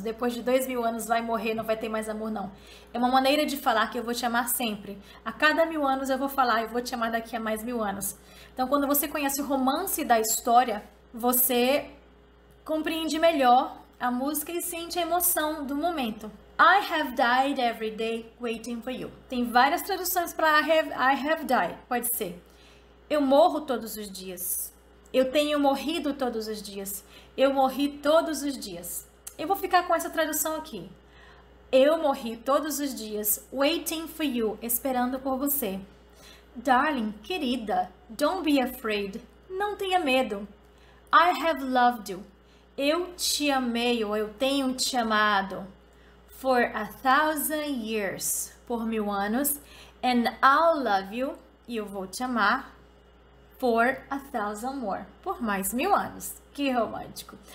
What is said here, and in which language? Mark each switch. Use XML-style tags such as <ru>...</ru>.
<pt>Depois de 2.000 anos vai morrer, não vai ter mais amor, não. É uma maneira de falar que eu vou te amar sempre. A cada 1.000 anos eu vou falar, eu vou te amar daqui a mais 1.000 anos. Então, quando você conhece o romance da história, você compreende melhor a música e sente a emoção do momento.</pt> <en>I have died every day waiting for you.</en> <pt>Tem várias traduções para</pt> <en>I have died,</en> <pt>pode ser. Eu morro todos os dias. Eu tenho morrido todos os dias. Eu morri todos os dias. Eu vou ficar com essa tradução aqui. Eu morri todos os dias,</pt> <en>waiting for you,</en> <pt>esperando por você.</pt> <en>Darling, querida, don't be afraid.</en> <pt>Não tenha medo.</pt> <en>I have loved you.</en> <pt>Eu te amei, ou eu tenho te amado.</pt> <en>For 1,000 years,</en> <pt>por 1.000 anos.</pt> <en>And I'll love you,</en> <pt>e eu vou te amar.</pt> <en>For 1,000 more,</en> <pt>por mais 1.000 anos. Que romântico.</pt>